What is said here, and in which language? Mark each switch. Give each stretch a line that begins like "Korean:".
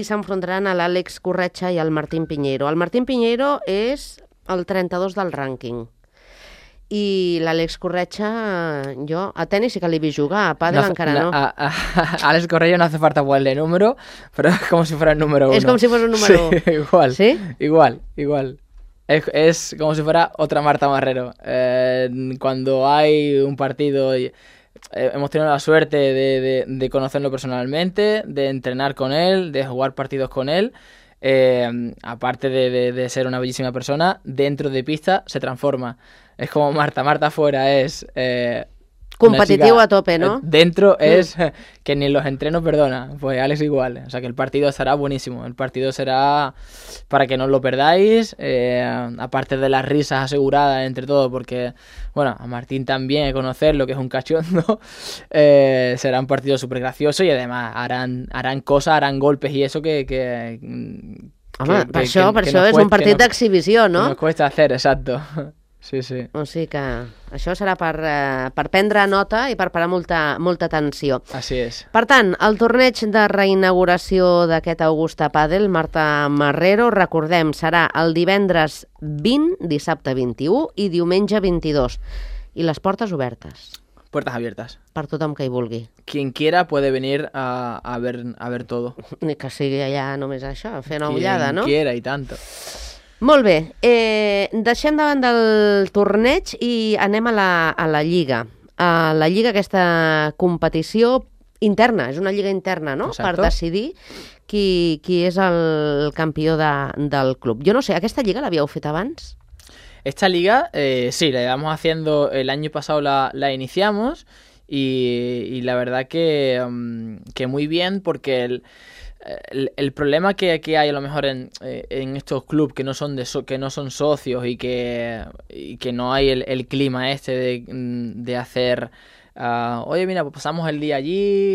Catalan: I s'enfrontaran a l'Àlex Corretja i al Martín Piñeiro. El Martín Piñeiro és el 32 del rànquing. I l'Àlex Corretja, jo, a tennis sí que l'hi vi jugar, a pàdel encara no. Àlex Corretja
Spanish: no hace falta igual de número,
Catalan: però és com si fos un número 1. És com si fos un número 1. Sí, igual. Sí? Igual, igual.
Spanish: Es como si fuera otra Marta Marrero. Cuando hay un partido, hemos tenido la suerte de conocerlo personalmente, de entrenar con él, de jugar partidos con él. Aparte de ser una bellísima persona, dentro de pista se transforma. Es como Marta. Marta fuera es... competitivo chica, a tope, ¿no? Dentro es que ni en los entrenos perdona. Pues Alex igual. O sea que el partido será buenísimo. El partido será para que no os lo perdáis. Aparte de las risas aseguradas entre todos, porque, bueno, a Martín también conocerlo, que es un cachondo, será un partido súper gracioso y además harán cosas, harán golpes y eso que
Catalan: home, per això és un partit d'exhibició, no?
Spanish: Que nos cuesta hacer, exacto. Sí, sí.
Catalan: O sigui que això serà per prendre nota i per parar molta atenció. Així és. Per tant, el torneig de reinauguració d'aquest Augusta Padel, Marta Marrero, recordem, serà el divendres 20, dissabte 21 i diumenge 22. I les portes obertes.
Spanish: Puertas abiertas.
Catalan: Per tothom que hi vulgui.
Spanish: Quien quiera puede venir a ver todo.
Catalan: Ni que sigui allà només això, fer una ullada, no?
Spanish: Quien quiera y tanto.
Catalan: Molt bé, deixem davant del torneig i anem a la Lliga. A la Lliga, aquesta competició interna, és una Lliga interna, no?
Spanish: Exacto.
Catalan: Per decidir qui és el campió del club. Jo no sé, aquesta Lliga l'havíeu fet abans?
Spanish: Esta Lliga, sí, la llevamos haciendo, el año pasado la iniciamos y la verdad que muy bien porque el problema que hay a lo mejor en estos clubes que no son socios y que no hay el clima este de hacer oye mira pues pasamos el día allí,